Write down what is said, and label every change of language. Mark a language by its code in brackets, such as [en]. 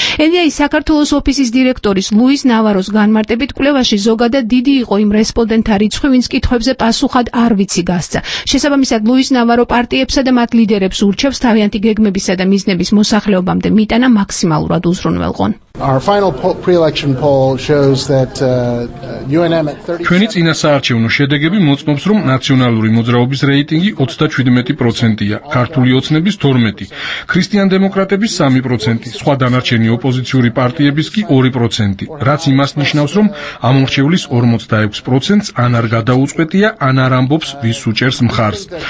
[ka] ENDI-ის საქართველოს ოფისის დირექტორის ლუის ნავაროს განმარტებით, კვლევაში ზოგადად დიდი იყო იმ რესპონდენტთა რიცხვი, ვინც კითხვებზე პასუხად არ ვიცი გასცა. შესაბამისად, ლუის ნავარო პარტიებსა და მათ ლიდერებს ურჩევს თავიანთი გეგმებისა და მიზნების მოსახლეობამდე მიტანა მაქსიმალურად უზრუნველყონ. [en] Our final pre-election poll shows that UNM at 30. [ka] ჩვენი წინა საარჩევნო შედეგები მოწმობს, რომ ნაციონალური მოძრაობის რეიტინგი 37%-ია, ქართული ოცნების 12, ქრისტიან-დემოკრატების 3%, სხვა დანარჩენი ოპოზიციური პარტიების კი 2%, რაც იმას ნიშნავს, რომ ამორჩეულის 46%-ს ან არ გადაუწყვეტია, ან არ ამბობს, ვის უჭერს მხარს.